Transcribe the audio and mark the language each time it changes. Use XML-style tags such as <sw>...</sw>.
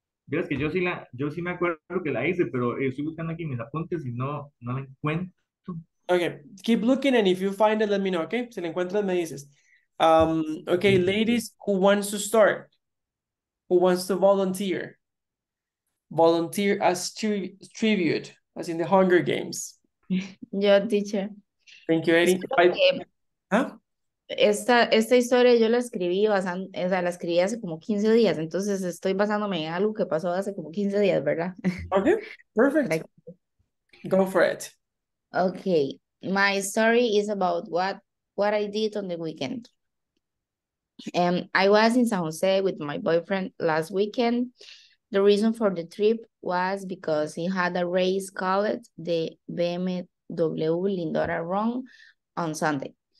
<es>Verás que yo sí me acuerdo que la hice, pero estoy buscando aquí mis apuntes y no la encuentro.</es> <en>Okay, keep looking and if you find it, let me know, okay?</en> <es>Si la encuentras, me dices.</es> <en>Okay, ladies, who wants to start? Who wants to volunteer? Volunteer as tribute, as in the Hunger Games.</en> <es>Yo, teacher.</es> <en>Thank you, Eddie.</en> <es>Esta historia yo la escribí basando, o sea, la escribí hace como 15 días, entonces estoy basándome en algo que pasó hace como 15 días, ¿verdad?</es> <en>Okay, perfect. Go for it. Okay, my story is about what I did on the weekend. I was in San Jose with my boyfriend last weekend. The reason for the trip was because he had a race called the BMW Lindora Run on Sunday.</en>